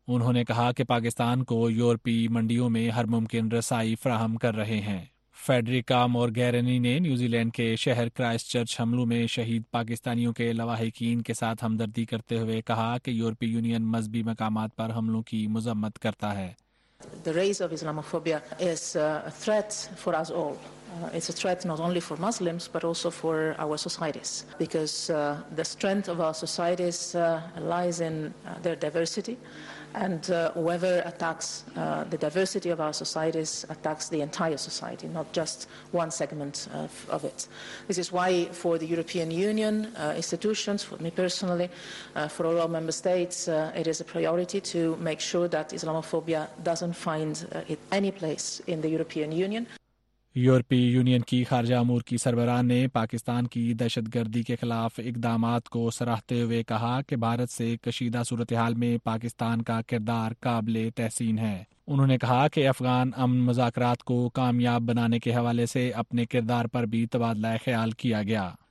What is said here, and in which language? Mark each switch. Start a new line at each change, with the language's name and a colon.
Urdu: انہوں نے کہا کہ پاکستان کو یورپی منڈیوں میں ہر ممکن رسائی فراہم کر رہے ہیں. فیڈریکا مورگیرینی نے نیوزی لینڈ کے شہر کرائسٹ چرچ حملوں میں شہید پاکستانیوں کے لواحقین کے ساتھ ہمدردی کرتے ہوئے کہا کہ یورپی یونین مذہبی مقامات پر حملوں کی مذمت کرتا ہے.
English: The rise of Islamophobia is a threat for us all. It's a threat not only for Muslims but also for our societies because the strength of our societies lies in their diversity. And whoever attacks the diversity of our societies attacks the entire society, not just one segment of it. This is why for the European Union institutions, for me personally, for all our member states, it is a priority to make sure that Islamophobia doesn't find any place in the European Union.
Urdu: یورپی union کی خارجہ امور کی سربراہ نے پاکستان کی دہشت گردی کے خلاف اقدامات کو سراہتے ہوئے کہا کہ بھارت سے کشیدہ صورتحال میں پاکستان کا کردار قابل تحسین ہے. انہوں نے کہا کہ افغان امن مذاکرات کو کامیاب بنانے کے حوالے سے اپنے کردار پر بھی تبادلہ خیال کیا گیا.